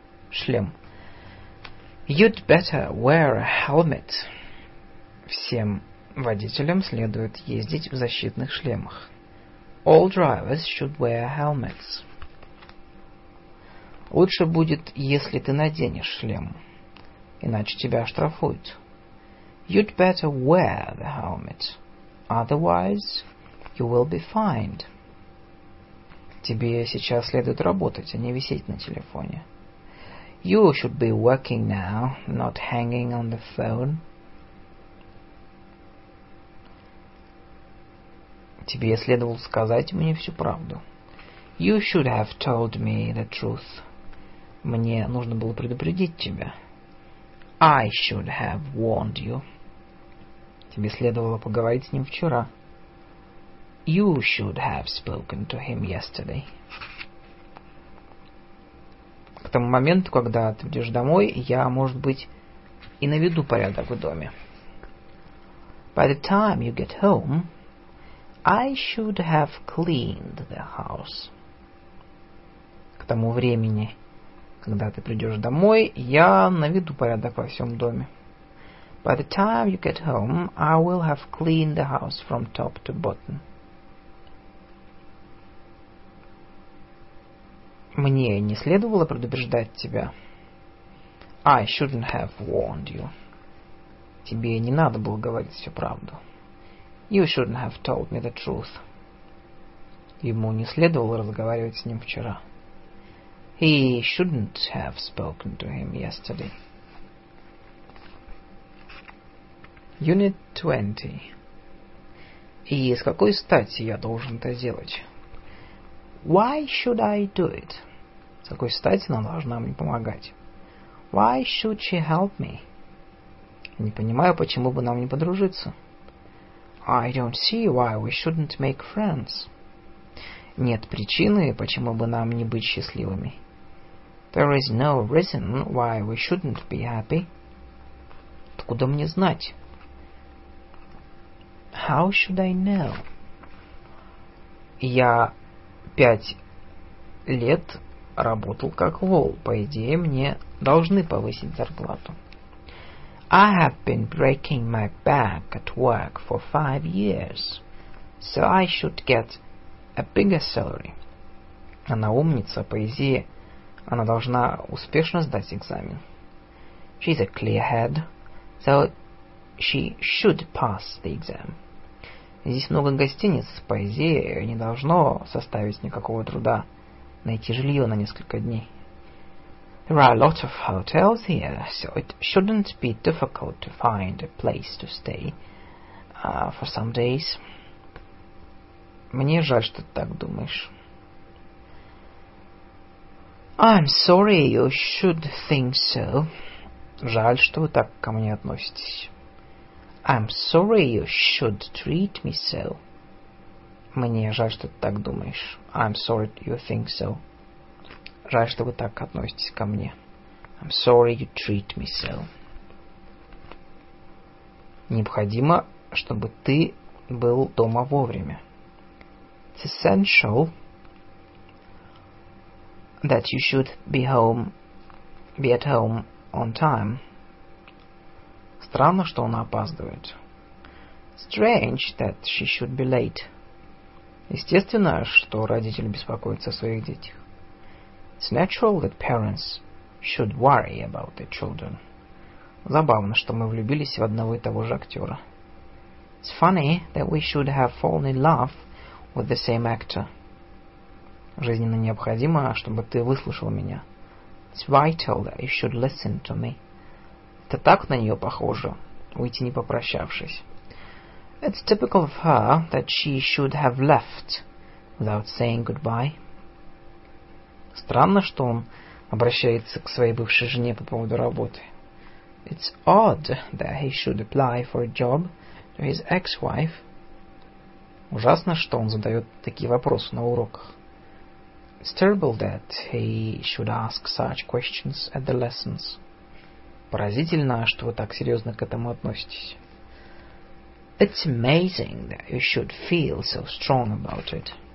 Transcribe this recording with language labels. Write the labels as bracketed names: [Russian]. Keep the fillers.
[Russian] Шлем. [English] You'd better wear a helmet. [Russian] Всем водителям следует ездить в защитных шлемах. [English] All drivers should wear helmets. [Russian] Лучше будет, если ты наденешь шлем, иначе тебя оштрафуют. [English] You'd better wear the helmet. Otherwise, you will be fined. [Russian] Тебе сейчас следует работать, а не висеть на телефоне. [English] You should be working now, not hanging on the phone. [Russian] Тебе следовало сказать мне всю правду. [English] You should have told me the truth. [Russian] Мне нужно было предупредить тебя. [English] I should have warned you. [Russian] Тебе следовало поговорить с ним вчера. [English] You should have spoken to him yesterday. [Russian] К тому моменту, когда ты придешь домой, я, может быть, и наведу порядок в доме. [English] By the time you get home, I should have cleaned the house. [Russian] К тому времени, когда ты придешь домой, я наведу порядок во всем доме. [English] By the time you get home, I will have cleaned the house from top to bottom. [Russian] Мне не следовало предупреждать тебя. [English] I shouldn't have warned you. [Russian] Тебе не надо было говорить всю правду. [English] You shouldn't have told me the truth. [Russian] Ему не следовало разговаривать с ним вчера. [English] He shouldn't have spoken to him yesterday. Unit 20. [Russian] И с какой стати я должен это делать? [English] Why should I do it? [Russian] С какой стати она должна мне помогать? [English] Why should she help me? [Russian] Не понимаю, почему бы нам не подружиться. [English] I don't see why we shouldn't make friends. [Russian] Нет причины, почему бы нам не быть счастливыми. [English] There is no reason why we shouldn't be happy. [Russian] Откуда мне знать? [English] How should I know? [Russian] Я пять лет работал как вол. По идее, мне должны повысить зарплату. [English] I have been breaking my back at work for five years, so I should get a bigger salary. [Russian] Она умница, по идее, она должна успешно сдать экзамен. [English] She's a clear-head, so she should pass the exam. [Russian] Здесь много гостиниц, по идее, не должно составить никакого труда найти жилье на несколько дней. [English] There are a lot of hotels here, so it shouldn't be difficult to find a place to stay uh, for some days. [Russian] Мне жаль, что ты так думаешь. [English] I'm sorry you should think so. [Russian] Жаль, что вы так ко мне относитесь. [English] I'm sorry you should treat me so. [Russian] Мне жаль, что ты так думаешь. [English] I'm sorry you think so. [Russian] Жаль, что вы так относитесь ко мне. [English] I'm sorry you treat me so. [Russian] Необходимо, чтобы ты был дома вовремя. [English] It's essential that you should be home, be at home on time. [Russian] Странно, что она опаздывает. [English] Strange that she should be late. [Russian] Естественно, что родители беспокоятся о своих детях. [English] It's natural that parents should worry about their children. [Russian] Забавно, что мы влюбились в одного и того же актера. [English] It's funny that we should have fallen in love with the same actor. [Russian] Жизненно необходимо, чтобы ты выслушал меня. [English] It's vital that you should listen to me. [Russian] Это так на нее похоже, уйти не попрощавшись. [English] It's typical of her that she should have left without saying goodbye. [Russian] Странно, что он обращается к своей бывшей жене по поводу работы. [English] It's odd that he should apply for a job to his ex-wife. [Russian] Ужасно, что он задает такие вопросы на уроках. [English] It's terrible that he should ask such questions at the lessons. [Russian] Поразительно, что вы так серьезно к этому относитесь. [English] It's amazing that you should feel so strong about it.